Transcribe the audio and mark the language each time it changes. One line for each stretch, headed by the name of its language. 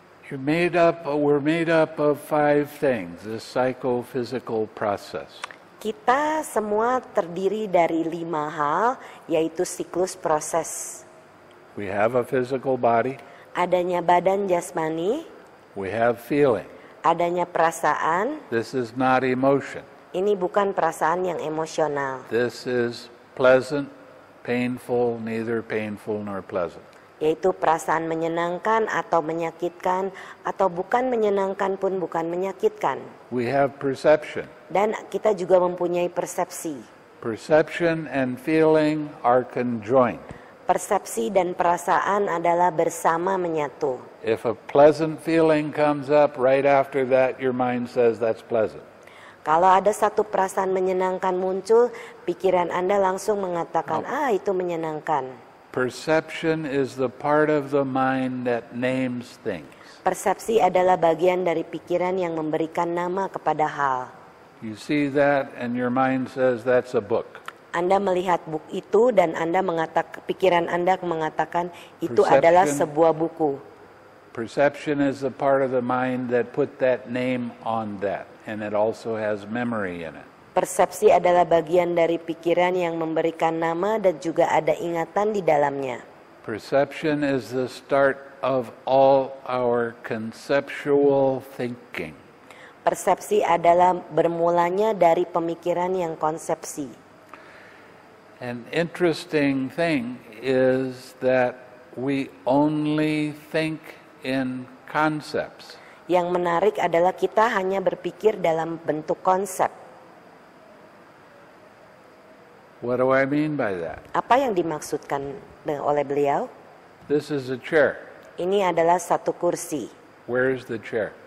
English: We're made up of five things, the psychophysical process.
Indonesian: Kita semua terdiri dari lima hal, yaitu siklus proses.
English: We have a physical body.
Indonesian: Adanya badan jasmani.
English: We have feeling.
Indonesian: Adanya perasaan.
English: This is not emotion.
Indonesian: Ini bukan perasaan yang emosional.
English: This is pleasant, painful, neither painful nor pleasant.
Indonesian: Yaitu perasaan menyenangkan atau menyakitkan, atau bukan menyenangkan pun bukan menyakitkan.
English: We have perception.
Indonesian: Dan kita juga mempunyai persepsi.
English: Perception and feeling are conjoined.
Indonesian: persepsi dan perasaan adalah bersama menyatu.
English: If a pleasant feeling comes up right after that, your mind says that's pleasant.
Indonesian: Kalau ada satu perasaan menyenangkan muncul, pikiran Anda langsung mengatakan, ah, itu menyenangkan.
English: Perception is the part of the mind that names things.
Indonesian: Persepsi adalah bagian dari pikiran yang memberikan nama kepada hal.
English: You see that and your mind says that's a book.
Indonesian: Anda melihat buku itu dan Anda mengatakan, pikiran Anda mengatakan itu adalah sebuah buku.
English: Perception is the part of the mind that put that name on that. And it also has memory in it.
Indonesian: Persepsi adalah bagian dari pikiran yang memberikan nama dan juga ada ingatan di dalamnya.
English: Perception is the start of all our conceptual thinking.
Indonesian: Persepsi adalah bermulanya dari pemikiran yang konsepsi.
English: An interesting thing is that we only think in concepts.
Indonesian: Yang menarik adalah kita hanya berpikir dalam bentuk konsep.
English: What do I mean by that?
Indonesian: Apa yang dimaksudkan oleh beliau?
English: This is a chair.
Indonesian: Ini adalah satu kursi.
English: Where is the chair?